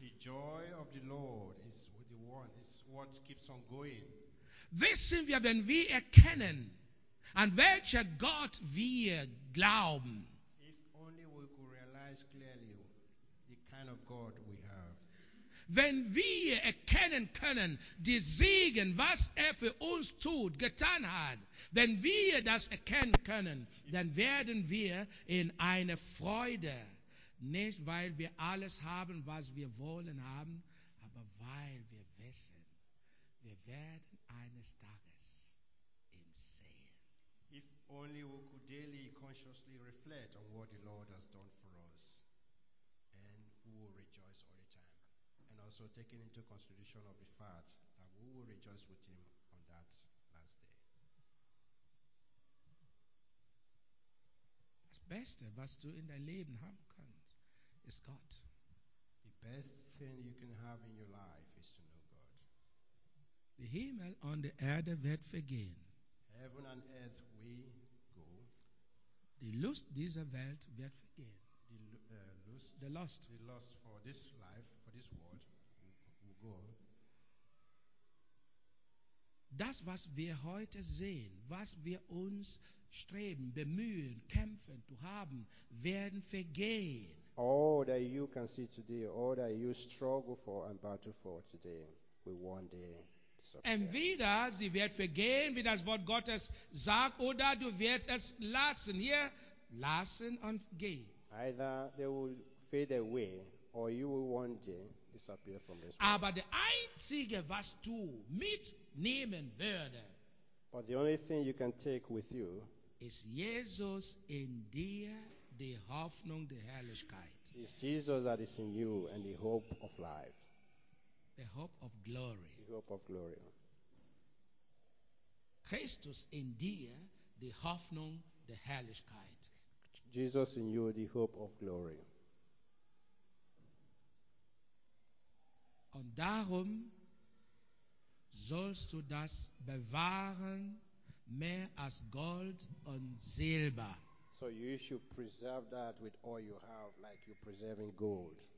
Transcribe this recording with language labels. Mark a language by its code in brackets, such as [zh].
[en] The joy of the Lord is the one, is what keeps on going. This thing we have envy a canon, and welcher God we a glauben. If only we could realize clearly the kind of God we have. [de] Wenn wir erkennen können, die Segen, was er für uns tut, getan hat, wenn wir das erkennen können, dann werden wir in eine Freude, nicht weil wir alles haben, was wir wollen haben, aber weil wir wissen, wir werden eines Tages ihn sehen. [en] If only we could daily consciously reflect on what the Lord has done for us, and we will rejoice all the time. And also taking into consideration of the fact that we will rejoice with him on that last day. [de] Das Beste, was du in dein Leben haben kannst, ist Gott. [en] The best thing you can have in your life is to know God. [de] Der Himmel und die Erde wird vergehen. [en] Heaven and earth will go. [de] Die Lust dieser Welt wird vergehen. [en] The lust for this life, for this world, will go. [de] Das, was wir heute sehen, was wir uns streben, bemühen, kämpfen zu haben, werden vergehen. [en] All that you can see today, all that you struggle for and battle for today, will one day disappear. [de] Entweder sie wird vergehen, wie das Wort Gottes sagt, oder du wirst es lassen. Hier, lassen und gehen. [en] Either they will fade away, or you will one day disappear from this world. [de] Aber der einzige, was du mitnehmen würde, [en] but the only thing you can take with you, [de] ist Jesus in dir, die Hoffnung der Herrlichkeit. [en] Is Jesus that is in you and the hope of life. The hope of glory. The hope of glory. [de] Christus in dir, die Hoffnung der Herrlichkeit. [en] Jesus in you, the hope of glory. [de] Und darum sollst du das bewahren mehr als Gold und Silber. [en] So you should preserve that with all you have, like you're preserving gold.